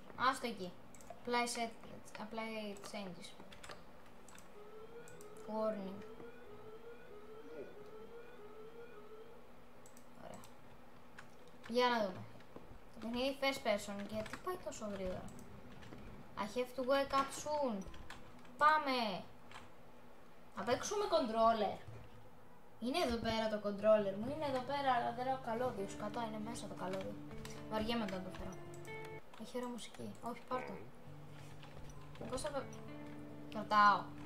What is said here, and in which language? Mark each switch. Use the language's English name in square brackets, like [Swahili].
[Greek] Άστο εκεί. [English] Apply set, apply changes. Warning. [Greek] Ωραία. Για να δούμε. Το παιχνίδι first person. Γιατί πάει τόσο γρήγορα. [English] I have to wake up soon. [Greek] Πάμε. Να παίξουμε controller. Είναι εδώ πέρα το controller μου. Είναι εδώ πέρα, αλλά δεν έχω καλώδιο. Σκατά, είναι μέσα το καλώδιο. Βαριέμαι όταν το φέρω. Έχει ωραία μουσική. Όχι, πάρ' το. Πώς θα κρατάω.